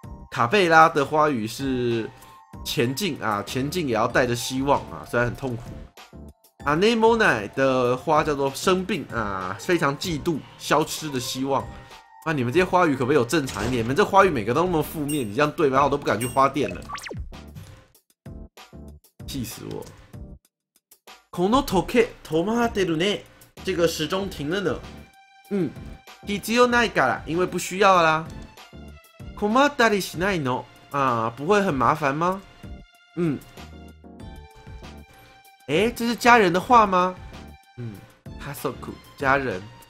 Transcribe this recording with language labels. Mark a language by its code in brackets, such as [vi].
[zh] 卡贝拉的花语是前进啊，前进也要带着希望啊，虽然很痛苦。啊，内莫奈的花叫做生病啊，非常嫉妒，消失的希望。那、啊、你们这些花语可不可以有正常一点？你们这花语每个都那么负面，你这样对吗？我都不敢去花店了，气死我。 [ja] この時計止まってるね。 [zh] 这个时钟停了呢，嗯， [ja] 必要ないから， [zh] 因为不需要啦。 [ja] 困ったりしないの？啊， [zh] 不会很麻烦吗？ [ja] 嗯。 [zh] 哎，这是家人的话吗？嗯，家族，家人。